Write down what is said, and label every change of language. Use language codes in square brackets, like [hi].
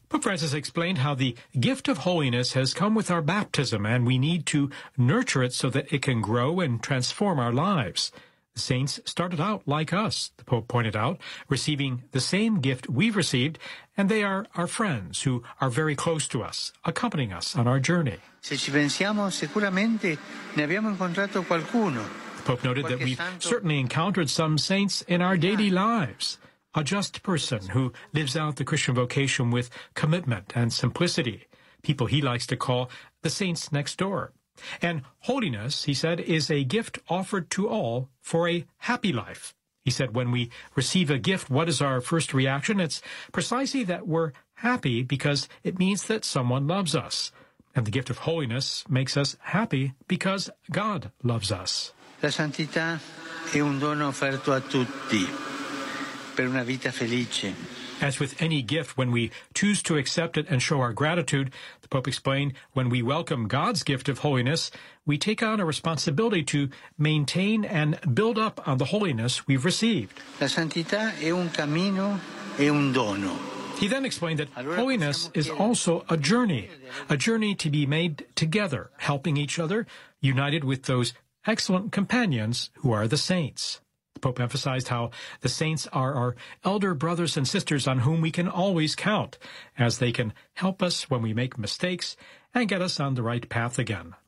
[en] Pope Francis explained how the gift of holiness has come with our baptism, and we need to nurture it so that it can grow and transform our lives. Saints started out like us, the Pope pointed out, receiving the same gift we've received, and they are our friends who are very close to us, accompanying us on our journey. [it] Se ci pensiamo, sicuramente ne abbiamo incontrato qualcuno. [en] The Pope noted that we've certainly encountered some saints in our daily lives, a just person who lives out the Christian vocation with commitment and simplicity, people he likes to call the saints next door. And holiness, he said, is a gift offered to all for a happy life. He said, when we receive a gift, what is our first reaction? It's precisely that we're happy because it means that someone loves us. And the gift of holiness makes us happy because God loves us. [it] La santità è un dono offerto a tutti per una vita felice. [en] As with any gift, when we choose to accept it and show our gratitude, the Pope explained, when we welcome God's gift of holiness, we take on a responsibility to maintain and build up on the holiness we've received. [it] La santità è un cammino, è un dono. [en] He then explained that holiness is also a journey to be made together, helping each other, united with those excellent companions who are the saints. The Pope emphasized how the saints are our elder brothers and sisters on whom we can always count, as they can help us when we make mistakes and get us on the right path again.